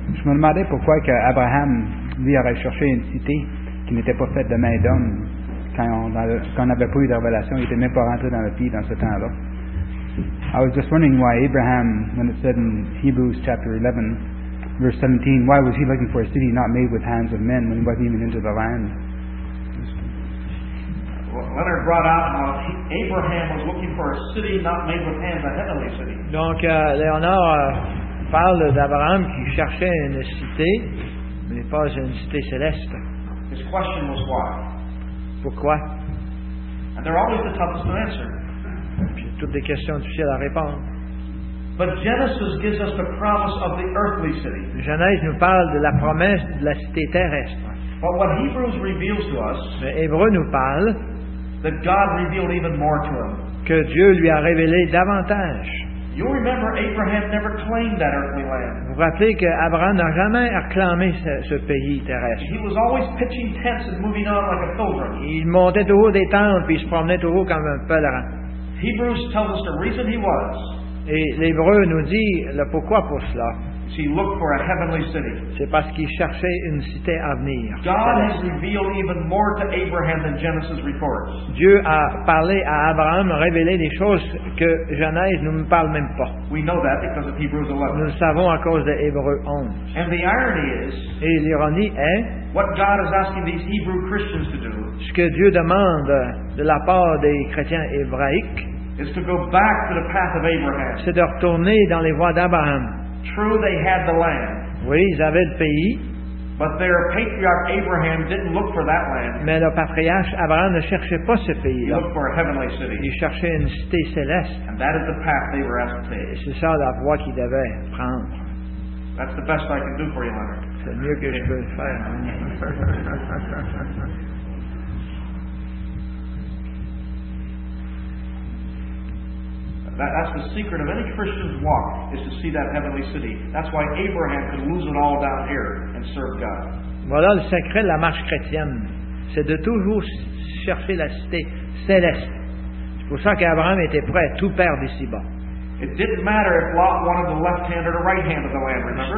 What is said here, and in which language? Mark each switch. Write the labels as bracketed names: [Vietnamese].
[French] Je me demandais pourquoi que Abraham lui aurait cherché une cité qui n'était pas faite de main d'homme quand on n'avait pas eu de révélation, il n'était même pas rentré dans le pays dans ce temps-là. [English] I was just wondering why Abraham, when it said in Hebrews chapter 11, verse 17, why was he looking for a city not made with hands of men when he wasn't even into the land? Leonard brought out how Abraham was looking for a city not made with hands, a heavenly city. [French] Donc, Léonard parle d'Abraham qui cherchait une cité, mais pas une cité céleste. [English] His question was why. [French] Pourquoi? [English] And they're always the toughest to answer. [French] Puis, toutes des questions difficiles à répondre. [English] But Genesis gives us the promise of the earthly city. [French] Genèse nous parle de la promesse de la cité terrestre. [English] But what Hebrews reveals to us. [French] Mais Hébreu nous parle. [English] That God revealed even more to him. [French] Que Dieu lui a révélé davantage. [English] You remember Abraham never claimed that earthly land. [French] Vous rappelez que Abraham n'a jamais acclamé ce pays terrestre. [English] He was always pitching tents and moving on like a pilgrim. [French] Il montait toujours des tentes puis il se promenait toujours comme un pèlerin. [English] Hebrews tells us the reason he was. [French] Et l'Hébreu nous dit le pourquoi pour cela. [English] He He looked for a heavenly city. [French] C'est parce qu'il cherchait une cité à venir. [English] God has revealed even more to Abraham than Genesis reports. [French] Dieu a parlé à Abraham, révélé des choses que Genèse ne parle même pas. [English] We know that because of Hebrews 11. [French] Nous le savons à cause de Hébreux 11. [English] And the irony is, [French] et l'ironie est, [English] what God is asking these Hebrew Christians to do, [French] ce que Dieu demande de la part des chrétiens hébraïques, [English] is to go back to the path of Abraham. [French] C'est de retourner dans les voies d'Abraham. [English] True, they had the land. [French] Oui, ils avaient le pays. [English] But their patriarch Abraham didn't look for that land. [French] Mais le patriarche Abraham ne cherchait pas ce pays. [English] He looked for a heavenly city. [French] Il cherchait une cité céleste. [English] And that is the path they were asked to take. [French] C'est ça la voie qu'ils devaient prendre. [English] That's the best I can do for you, Leonard. [French] C'est mieux que je peux faire. [English] That's the secret of any Christian's walk, is to see that heavenly city. That's why Abraham could lose it all down here and serve God. [French] Voilà le secret de la marche chrétienne. C'est de toujours chercher la cité céleste. C'est pour ça qu'Abraham était prêt à tout perdre ici-bas. [English] It didn't matter if Lot wanted the left hand or the right hand of the land, remember?